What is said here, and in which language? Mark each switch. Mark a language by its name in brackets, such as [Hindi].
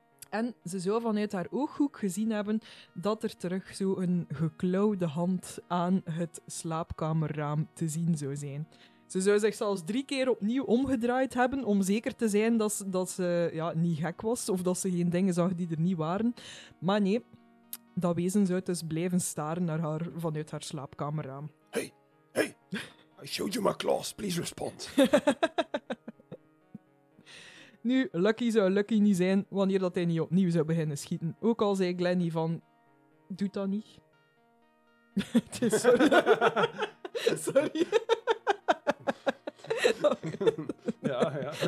[Dutch] En ze zou vanuit haar ooghoek gezien hebben dat er terug zo een geklauwde hand aan het slaapkamerraam te zien zou zijn. Ze zou zich zelfs 3 keer opnieuw omgedraaid hebben om zeker te zijn dat ze niet gek was of dat ze geen dingen zag die er niet waren. Maar nee, dat wezen zou dus blijven staren naar haar vanuit haar slaapkamerraam. [English] Hey, I showed you my claws, please respond. [Dutch] Nu, Lucky zou Lucky niet zijn wanneer dat hij niet opnieuw zou beginnen schieten. Ook al zei Glennie van... Doe dat niet. Sorry. Sorry. Ja, ja.